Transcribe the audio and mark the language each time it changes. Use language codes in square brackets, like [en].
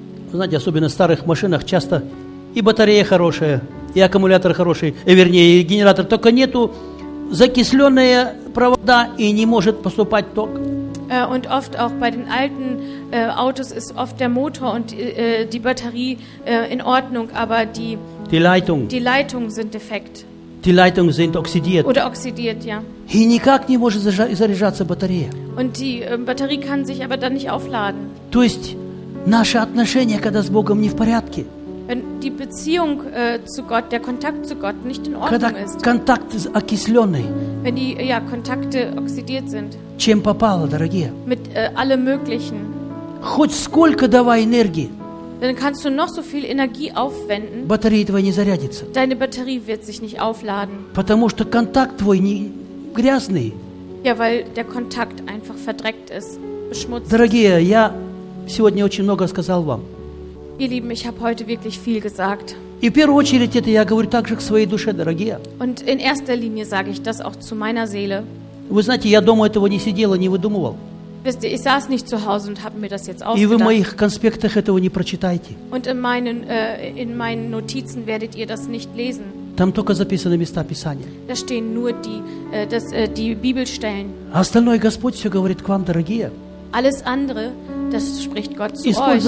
[ru] Вы знаете, особенно в старых машинах часто и батарея хорошая, и аккумулятор хороший, и вернее, и генератор, только нету закисленные провода и не может поступать ток. [de] Und oft auch bei den alten Autos ist oft der Motor und die Batterie in Ordnung, aber die Leitungen sind defekt. Die Leitungen sind oxidiert. Oder oxidiert, ja. [ru] И никак не может заряжаться батарея. [de] Und die Batterie kann sich aber dann nicht aufladen. [ru] То есть наши отношения, когда с Богом не в порядке. [de] Wenn die Beziehung zu Gott, der Kontakt zu Gott nicht in Ordnung ist. Kontakt ist [ru] окисленный. [de] Wenn die Kontakte oxidiert sind. [ru] Чем попало, дорогие? [de] Mit allem Möglichen. [ru] Хоть сколько давай энергии. [de] Dann kannst du noch so viel Energie aufwenden. [ru] Батарея твоя не зарядится. [de] Deine Batterie wird sich nicht aufladen. [ru] Потому что контакт твой не грязный. [de] Ja, weil der Kontakt einfach verdreckt ist, beschmutzt. [ru] Дорогие, я сегодня очень много сказал вам. [de] Ihr Lieben, ich habe heute wirklich viel gesagt. [ru] И в первую очередь это я говорю также к своей душе, дорогие. [de] Und in erster Linie sage ich das auch zu meiner Seele. [ru] Вы знаете, я дома этого не сидел и не выдумывал. [de] Wisst ihr, ich saß nicht zu Hause und habe mir das jetzt ausgedacht. [ru] И вы в моих конспектах этого не прочитаете. [de] Und in meinen Notizen werdet ihr das nicht lesen. [ru] Там только записаны места Писания. [de] Da stehen nur die Bibelstellen. [ru] Остальное Господь все говорит к вам, дорогие. [de] Alles andere, das spricht Gott zu euch.